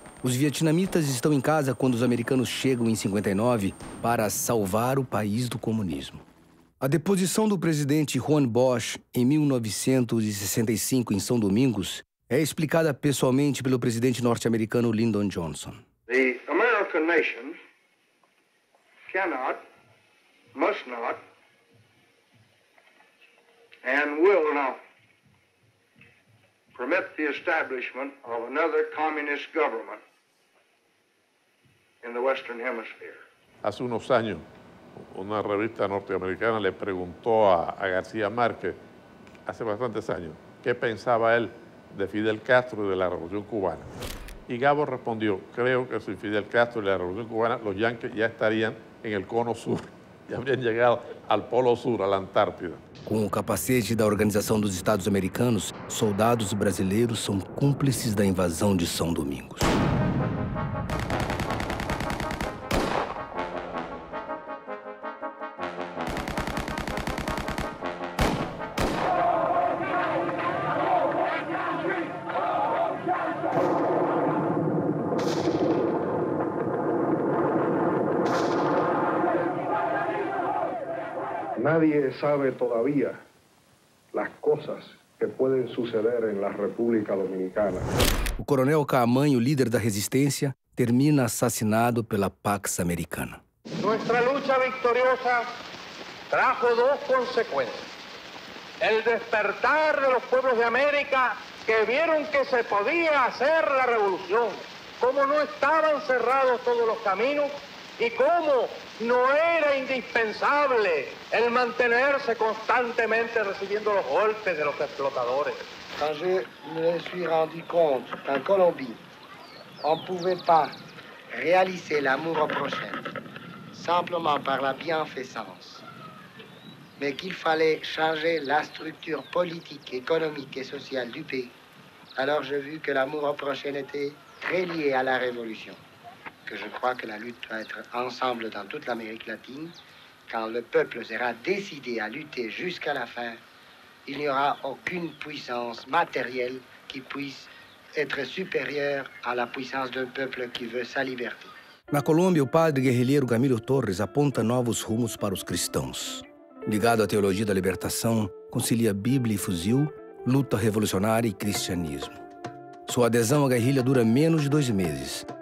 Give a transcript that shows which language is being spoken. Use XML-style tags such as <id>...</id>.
<pt>Os vietnamitas estão em casa quando os americanos chegam em 59 para salvar o país do comunismo. A deposição do presidente Juan Bosch em 1965 em São Domingos é explicada pessoalmente pelo presidente norte-americano Lyndon Johnson.</pt> <en>The American nation cannot, must not, and will not permit the establishment of another communist government in the Western Hemisphere.</en> <es>Hace unos años, una revista norteamericana le preguntó a García Márquez, hace bastantes años, qué pensaba él de Fidel Castro y de la Revolución Cubana. Y Gabo respondió, creo que si Fidel Castro y la Revolución Cubana, los yanquis ya estarían en el cono sur, ya habrían llegado al polo sur, a la Antártida.</es> <pt>Com o capacete da Organização dos Estados Americanos, soldados brasileiros são cúmplices da invasão de São Domingos.</pt> <es>Nadie sabe todavía las cosas que pueden suceder en la República Dominicana.</es> <pt>O coronel Caamaño, líder da resistência, termina assassinado pela Pax Americana.</pt> <es>Nuestra lucha victoriosa trajo dos consecuencias. El despertar de los pueblos de América que vieron que se podía hacer la revolución, como no estaban cerrados todos los caminos y como no era indispensável el mantener-se constantemente recibiendo los golpes de los explotadores.</es> <fr>Quand je me suis rendu compte qu'en Colombie, on ne pouvait pas réaliser l'amour au prochain simplement par la bienfaisance, mais qu'il fallait changer la structure politique, économique et sociale du pays, alors j'ai vu que l'amour au prochain était très lié à la révolution. Que je crois que la lutte doit être ensemble dans toute l'Amérique latine. Quand le peuple sera décidé à lutter jusqu'à la fin, il n'y aura aucune puissance matérielle qui puisse être supérieure à la puissance d'un peuple qui veut sa liberté.</fr> <pt>Na Colômbia, o padre guerrilheiro Gamilo Torres aponta novos rumos para os cristãos. Ligado à teologia da libertação, concilia Bíblia e fuzil, luta revolucionária e cristianismo. Sua adesão à guerrilha dura menos de 2 meses.</pt>